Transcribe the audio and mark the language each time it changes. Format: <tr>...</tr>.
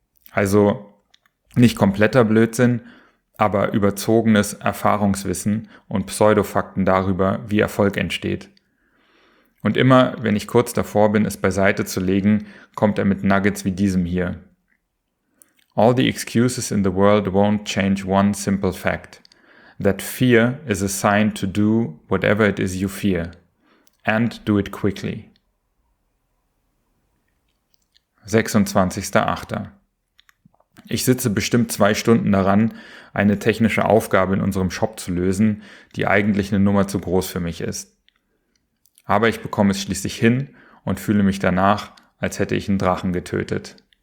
<de>Also nicht kompletter Blödsinn, aber überzogenes Erfahrungswissen und Pseudofakten darüber, wie Erfolg entsteht. Und immer, wenn ich kurz davor bin, es beiseite zu legen, kommt er mit Nuggets wie diesem hier.</de> <en>All the excuses in the world won't change one simple fact, that fear is a sign to do whatever it is you fear, and do it quickly.</en> <de>26.8. Ich sitze bestimmt 2 Stunden daran, eine technische Aufgabe in unserem Shop zu lösen, die eigentlich eine Nummer zu groß für mich ist. Aber ich bekomme es schließlich hin und fühle mich danach, als hätte ich einen Drachen getötet.</de>